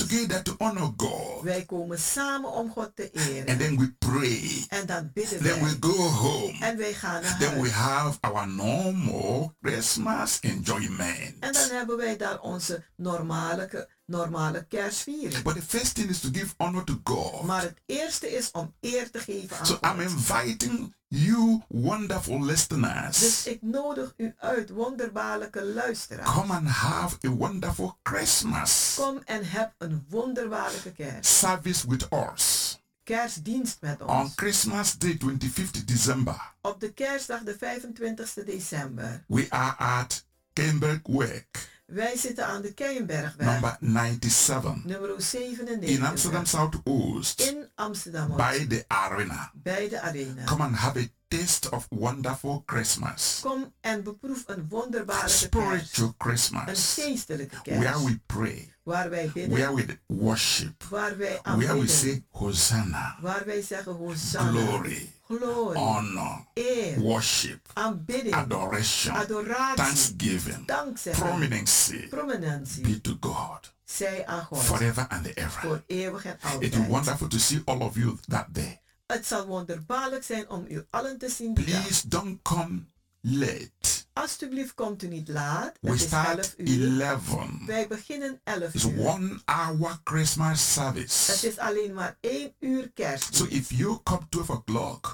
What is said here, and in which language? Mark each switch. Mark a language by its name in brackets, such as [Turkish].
[English] Together to honor God. [Dutch] Wij komen samen om God te eren. [English] And then we pray. [Dutch] En dan bidden [English] then [Dutch] wij. [English] We go home. [Dutch] En wij gaan naar [English] then [Dutch] huis. [English] Then we have our normal Christmas enjoyment. [Dutch] En dan hebben wij daar onze normale kerstviering. [English] But the first thing is to give honor to God. [Dutch] Maar het eerste is om eer te geven aan [English] so [Dutch] God. [English] I'm inviting you wonderful listeners. [Dutch] Dus ik nodig u uit, wonderbaarlijke luisteraars. [English] Come and have a wonderful Christmas. [Dutch] Kom en heb een wonderbaarlijke kerst. [English] Service with us. [Dutch] Kerstdienst met ons. [English] On Christmas Day, 25th December. [Dutch] Op de kerstdag, de 25ste december. [English] We are at Kenberg Work. [Dutch] Wij zitten aan de Keienbergweg. [English] Number 97. [Dutch] Nummer 97. [English] In Amsterdam Zuidoost. [Dutch] In Amsterdam. [English] By the arena. [Dutch] Bij de arena. [English] Come and have a taste of wonderful Christmas. [Dutch] Kom en beproef een wonderbare [English] spiritual Christmas. [Dutch] Een geestelijke kerst. [English] Where we pray. [Dutch] Waar wij bidden. [English] Where we worship. [Dutch] Waar wij aanbidden. [English] Where we say Hosanna. [Dutch] Waar wij zeggen Hosanna. [English] Glory. [Dutch] Glory, [English] honor, [Dutch] eer, [English] worship, [Dutch] aanbidding, [English] adoration, [Dutch] adoration, [English] thanksgiving, [Dutch] dankzij, [English] prominency, be to God, [Dutch] zij aan God, [English] forever and ever. [Dutch] Voor eeuwig en altijd. [English] It is wonderful to see all of you that day. [Dutch] Het zal wonderbaarlijk zijn om u allen te zien. [English] Please [Dutch] dag. [English] Don't come late. [Dutch] Alsjeblieft komt u niet laat. [English] We [Dutch] het is [English] start 11. [Dutch] Wij beginnen 11 [English] It's [Dutch] uur. [English] It's 1 hour Christmas service. [Dutch] Het is alleen maar 1 uur kerst. [English] So if you come 12 o'clock.